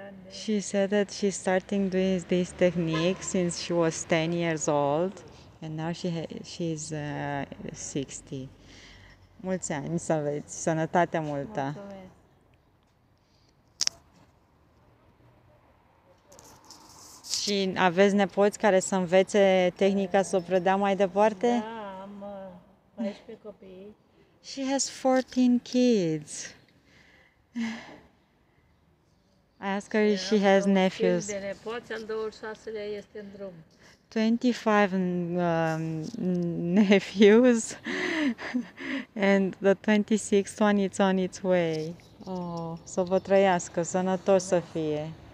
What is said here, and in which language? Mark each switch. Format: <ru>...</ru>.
<en>She said that she's starting doing this technique since she was 10 years old, and now she's 60.</en> <ro>Mulți ani să aveți, sănătate multă. Și aveți nepoți care să învețe tehnica să o predea mai departe? Da, am 14 copii.</ro> <en>She has 14 kids. I ask her if she has nephews.</en> <ro>De nepoți, al 26-lea este în drum.</ro> <en>25 nephews and the 26th one is on its way.</en> <ro>Oh, să vă trăiască, sănătos să fie.</ro>